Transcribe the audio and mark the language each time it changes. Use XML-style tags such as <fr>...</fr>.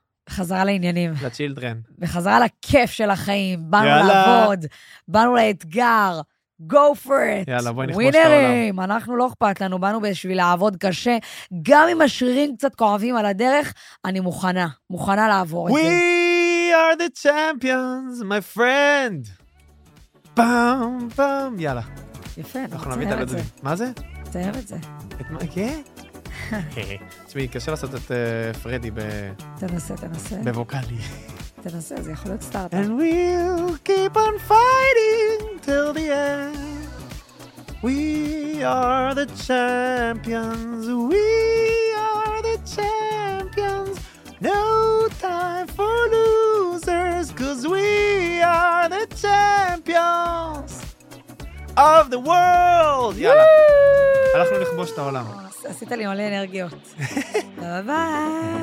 <he>חזרה לעניינים. לצ'ילדרן. וחזרה לכיף של החיים, באנו לעבוד, באנו לאתגר.</he> <en>Go for it.</en> <he>יאללה, בואי נכבוש ווינרים. את העולם. אנחנו לא אכפת לנו, באנו בשביל לעבוד קשה. גם אם השרירים קצת כואבים על הדרך, אני מוכנה. מוכנה לעבור את זה.</he> <en>We are the champions, my friend.</en> <he>פאם, פאם. יאללה. יפה, אנחנו נביא את הלדים. מה זה? תאהב את זה. את מה? כן? תשמעי, קשה לעשות את פרדי ב... תנסה, תנסה. בווקלי. תנסה, זה יכול להיות סטארט.</he> <en>And we'll keep on fighting till the end. We are the champions. We are the champions. No time for losers. Cause we are the champions of the world.</en> <he>יאללה. הלכנו לכבוש את העולם. עשית לי מלא אנרגיות. ביי ביי.</he>